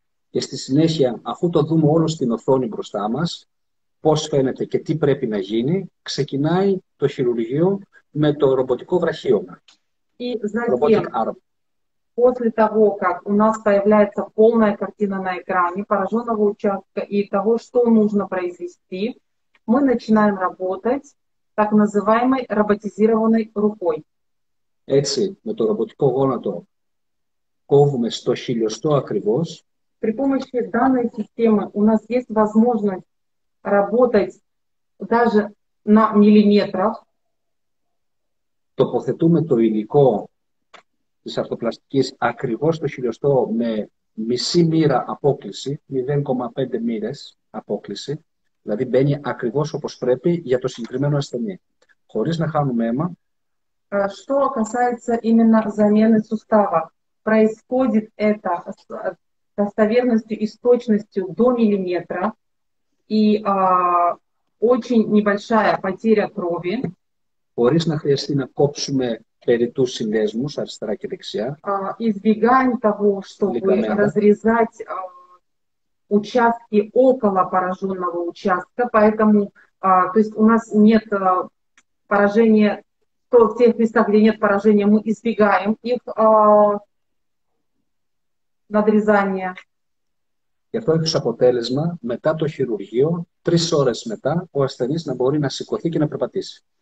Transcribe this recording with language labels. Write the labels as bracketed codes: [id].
[el] Και στη συνέχεια, αφού το δούμε όλο στην οθόνη μπροστά μας, πώς φαίνεται και τι πρέπει να γίνει, ξεκινάει το χειρουργείο με το ρομποτικό βραχίωμα. [ru] И затем, после того, как у нас появляется полная картина на экране пораженного участка и того, что нужно произвести, мы начинаем работать так называемой роботизированной рукой. [el] Έτσι, με το ρομποτικό γόνατο κόβουμε στο χιλιοστό ακριβώς. [ru] При помощи данной системы у нас есть возможность работать даже на миллиметрах. [el] Τοποθετούμε το υλικό της αρθροπλαστικής ακριβώς στο χιλιοστό με μισή μοίρα απόκληση, 0,5 μοίρες απόκληση, δηλαδή μπαίνει ακριβώς όπως πρέπει για το συγκεκριμένο ασθενή, χωρίς να χάνουμε αίμα. [ru] Что касается именно замены сустава, происходит это с достоверностью и с точностью до миллиметра, и очень небольшая потеря крови. [el] Χωρίς να χρειαστεί να κόψουμε περιττούς συνδέσμους αριστερά και δεξιά. [ru] Избегаем того, чтобы разрезать участки около пораженного участка, поэтому, то есть у нас нет поражения, то в тех местах, где нет поражения, мы избегаем их надрезания. [el] Γι' αυτό έχει ως αποτέλεσμα, μετά το χειρουργείο, τρεις ώρες μετά, ο ασθενής να μπορεί να σηκωθεί και να περπατήσει.